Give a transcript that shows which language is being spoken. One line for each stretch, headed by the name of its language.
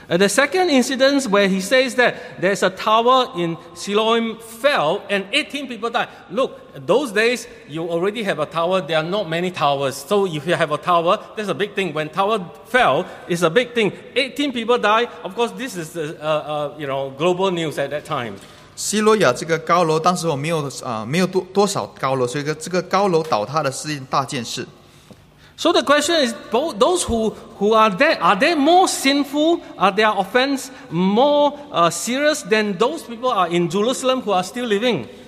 English: The second incident where he says that there's a tower in Siloam fell and 18 people died. Look, those days you already have a tower, there are not many towers. So if you have a tower, that's a big thing. When tower fell, it's a big thing. 18 people died. Of course, this is global news at that time.
Chinese: 西罗亚这个高楼当时没有多少高楼，所以这个高楼倒塌的是一件大件事。
English: So the question is, both those who are they more sinful? Are their offense more serious than those people are in Jerusalem who are still living?